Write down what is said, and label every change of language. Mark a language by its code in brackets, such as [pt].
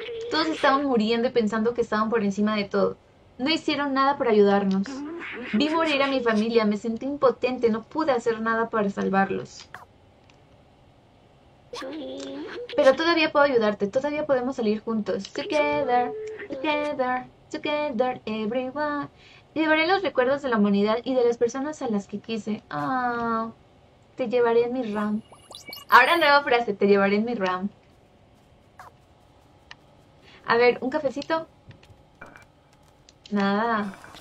[es] Todos estaban muriendo y pensando que estaban por encima de todo. No hicieron nada por ayudarnos. Vi morir a mi familia, me sentí impotente, no pude hacer nada para salvarlos. Pero todavía puedo ayudarte, todavía podemos salir juntos. [en] Together, together, together, everyone. [es] Llevaré los recuerdos de la humanidad y de las personas a las que quise. Oh, te llevaré en mi RAM. Ahora nueva frase, te llevaré en mi RAM. A ver, ¿un cafecito? Nada.